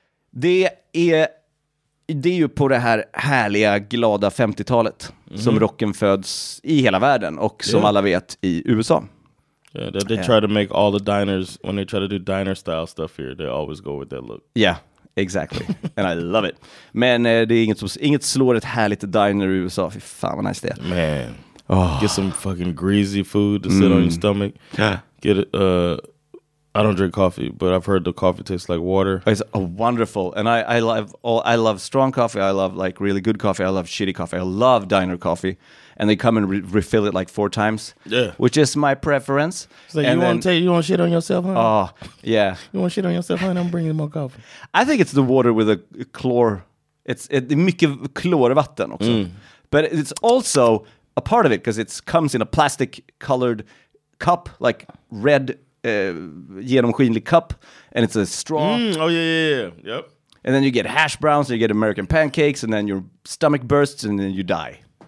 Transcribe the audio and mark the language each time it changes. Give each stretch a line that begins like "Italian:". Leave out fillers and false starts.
Swedish: Det är ju på det här härliga, glada 50-talet som rocken föds i hela världen och som alla vet i USA.
English: Yeah, they try to make all the diners, when they try to do diner style stuff here, they always go with that look. Yeah. Exactly, and I love it.
Swedish: Men det är inget slår ett härligt diner i USA. Fy fan vad nice det är.
English: Man, get some fucking greasy food to sit on your stomach. Get I don't drink coffee, but I've heard the coffee tastes like water. It's wonderful, and I love strong coffee. I love like really good coffee. I love shitty coffee. I love diner coffee, and they come and refill it like four times. Yeah. Which is my preference. So you want to take, you want shit on yourself, huh? Oh, yeah. You want shit on yourself, huh? I'm bringing more coffee. I think it's the water with a chlor. It's
Swedish: mycket klorvatten också. Mm.
English: But it's also a part of it because it comes in a plastic colored cup, like red
Swedish: genomskinlig
English: cup, and it's a straw. Mm. Oh yeah, yeah, yeah. Yep. And then you get hash browns, and you get American pancakes, and then your stomach bursts, and then you die.